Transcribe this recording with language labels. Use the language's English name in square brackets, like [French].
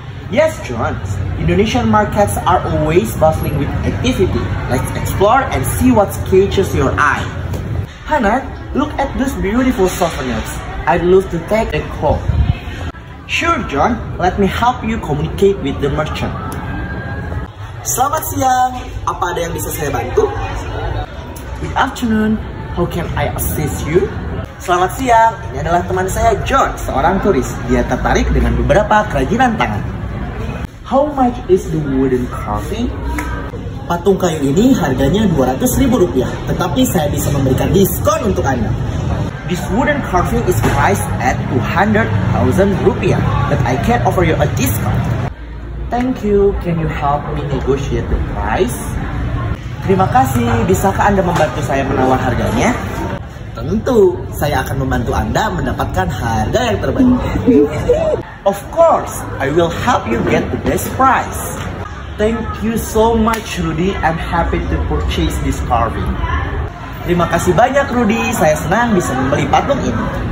[English] Yes, John, Indonesian markets are always bustling with activity. Let's explore and see what catches your eye. Hanan, look at those beautiful souvenirs. I'd love to take a call. Sure, John. Let me help you communicate with the merchant. [Indonesian] Selamat siang. Apa ada yang bisa saya bantu? [English] Good afternoon. How can I assist you? [Indonesian] Selamat siang. Ini adalah teman saya, John, seorang turis. Dia tertarik dengan beberapa kerajinan tangan. [English] How much is the wooden carving? [Indonesian] Patung kayu ini harganya Rp200.000, tetapi saya bisa memberikan diskon untuk Anda. [English] This wooden carving is priced at Rp200.000, but I can offer you a discount. Thank you, can you help me negotiate the price? [Indonesian] Terima kasih, bisakah Anda membantu saya menawar harganya? Tentu, saya akan membantu Anda mendapatkan harga yang terbaik. [English] Of course, I will help you get the best price. Thank you so much, Rudy. I'm happy to purchase this carving. [Indonesian] Terima kasih banyak, Rudy. Saya senang bisa membeli patung ini.